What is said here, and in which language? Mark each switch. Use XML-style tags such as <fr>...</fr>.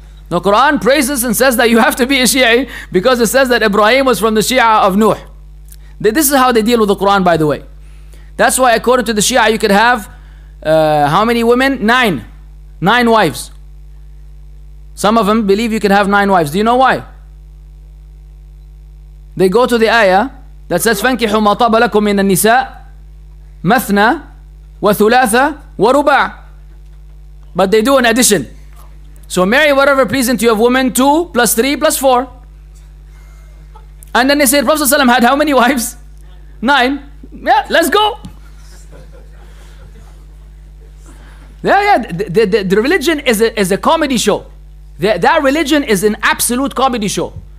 <en>The Quran praises and says that you have to be a Shia because it says that Ibrahim was from the Shia of Nuh. This is how they deal with the Quran, by the way. That's why, according to the Shia, you could have how many women? Nine wives. Some of them believe you can have nine wives. Do you know why? They go to the ayah that says,</en> <ar>فَانْكِحُ مَا طَابَ لَكُمْ مِنَ النِّسَاءِ مَثْنَى وَثُلَاثَ وَرُبَعَ.</ar> <en>But they do an addition. So marry whatever pleasing to you of women, 2 + 3 + 4. And then they say, Prophet ﷺ had how many wives? Nine. Yeah, let's go. Yeah. The religion is a comedy show. That religion is an absolute comedy show.</en>